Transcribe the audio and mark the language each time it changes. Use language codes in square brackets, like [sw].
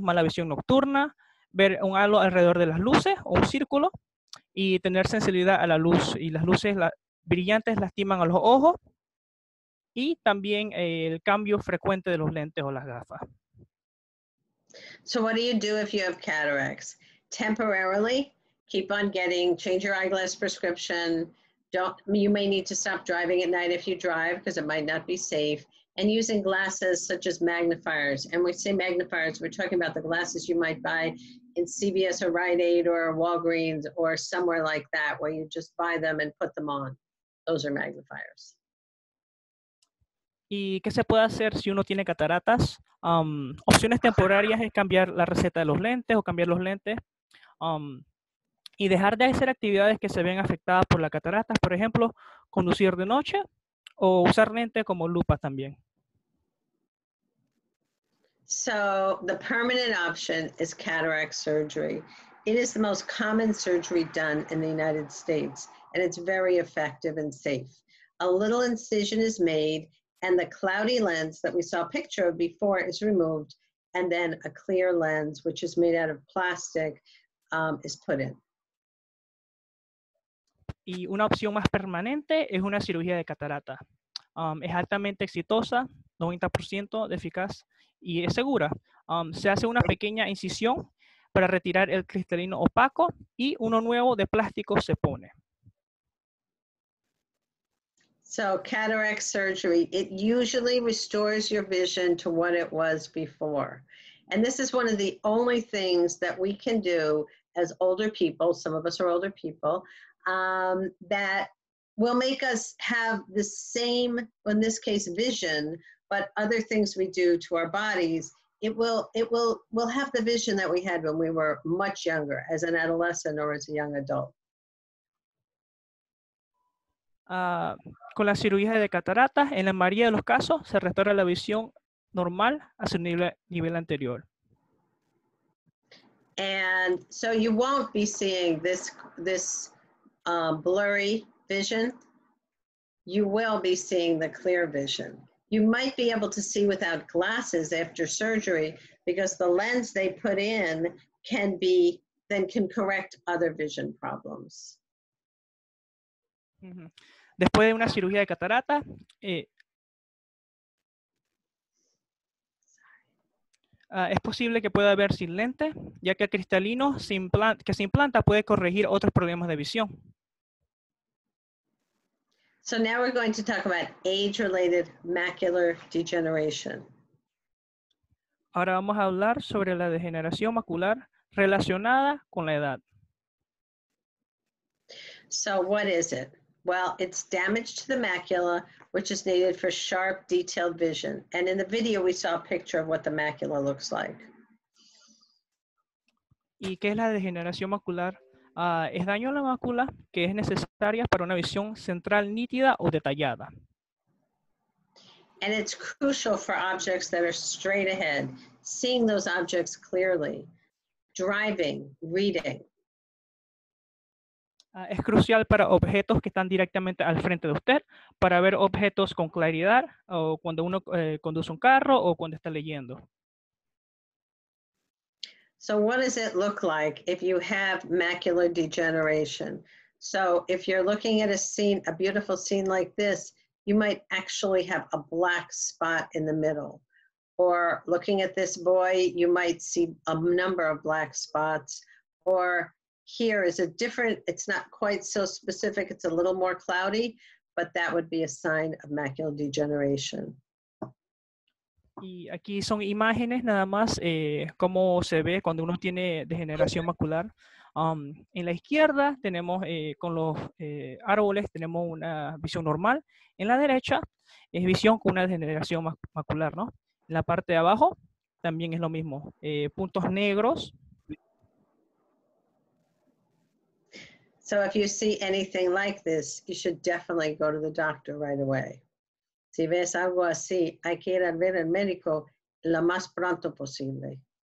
[es] Mala visión nocturna, ver un halo alrededor de las luces o un círculo y tener sensibilidad a la luz. Y las luces brillantes lastiman a los ojos y también el cambio frecuente de los lentes o las gafas. [en] So what do you do if you have cataracts? Temporarily, keep on getting, change your eyeglass prescription. Don't, you may need to stop driving at night if you drive because it might not be safe. And using glasses such as magnifiers. And we say magnifiers, we're talking about the glasses you might buy in CVS or Rite Aid or Walgreens or somewhere like that where you just buy them and put them on. Those are magnifiers. [es] ¿Y qué se puede hacer si uno tiene cataratas? Opciones temporarias es cambiar la receta de los lentes o cambiar los lentes. Y dejar de hacer actividades que se ven afectadas por la catarata. Por ejemplo, conducir de noche. O usar lente como lupa también. [en] So the permanent option is cataract surgery. It is the most common surgery done in the United States, and it's very effective and safe. A little incision is made, and the cloudy lens that we saw a picture of before is removed, and then a clear lens, which is made out of plastic, is put in. [es] Y una opción más permanente es una cirugía de catarata. Es altamente exitosa, 90% de eficaz y es segura. Se hace una pequeña incisión para retirar el cristalino opaco y uno nuevo de plástico se pone. [en] So, cataract surgery, it usually restores your vision to what it was before. And this is one of the only things that we can do as older people, some of us are older people, that will make us have the same, in this case, vision, but other things we do to our bodies, we'll have the vision that we had when we were much younger, as an adolescent or as a young adult. [es] Con la cirugía de cataratas, en la mayoría de los casos, se restaura la visión normal a su nivel anterior. [en] And so you won't be seeing this blurry vision, you will be seeing the clear vision. You might be able to see without glasses after surgery because the lens they put in can correct other vision problems. [es] Después de una cirugía de catarata, es posible que pueda ver sin lente, ya que el cristalino que se implanta puede corregir otros problemas de visión. [en] So now we're going to talk about age-related macular degeneration. [es] Ahora vamos a hablar sobre la degeneración macular relacionada con la edad. [en] So what is it? Well, it's damage to the macula, which is needed for sharp, detailed vision. And in the video, we saw a picture of what the macula looks like. [es] ¿Y qué es la degeneración macular? Es daño a la mácula que es necesaria para una visión central nítida o detallada. [en] And it's crucial for objects that are straight ahead, seeing those objects clearly, driving, reading. [es] Es crucial para objetos que están directamente al frente de usted, para ver objetos con claridad, o cuando uno conduce un carro, o cuando está leyendo. [en] So what does it look like if you have macular degeneration? So if you're looking at a scene, a beautiful scene like this, you might actually have a black spot in the middle. Or looking at this boy, you might see a number of black spots. Or here is a different, it's not quite so specific, it's a little more cloudy, but that would be a sign of macular degeneration. [es] Y aquí son imágenes nada más cómo se ve cuando uno tiene degeneración macular. En la izquierda tenemos con los árboles tenemos una visión normal. En la derecha es visión con una degeneración macular, ¿no? En la parte de abajo también es lo mismo. Puntos negros. [en] So if you see anything like this, you should definitely go to the doctor right away. [es] Si ves algo así, hay que ir a ver al médico lo más pronto posible.